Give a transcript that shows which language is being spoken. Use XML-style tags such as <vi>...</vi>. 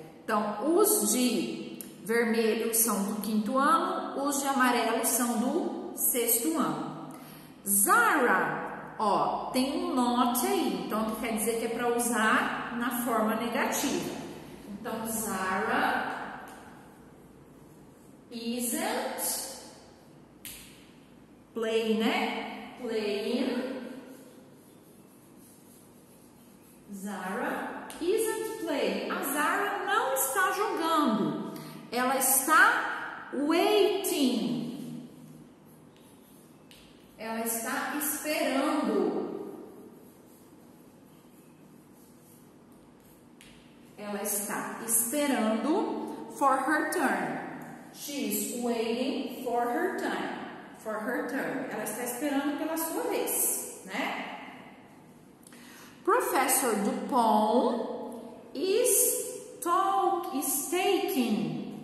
<pt>Então, os de vermelho são do quinto ano, os de amarelo são do sexto ano. Zara, ó, tem um not aí, então quer dizer que é para usar na forma negativa. Então, Zara</pt> <en>isn't playing,</en> <pt>né?</pt> <en>Playing. Zara isn't playing.</en> <pt>A Zara não está jogando. Ela está waiting. Ela está esperando. Ela está esperando</pt> <en>for her turn. She's waiting for her time. For her turn.</en> <pt>Ela está esperando pela sua vez, né?</pt> <en>Professor Dupont is taking.</en>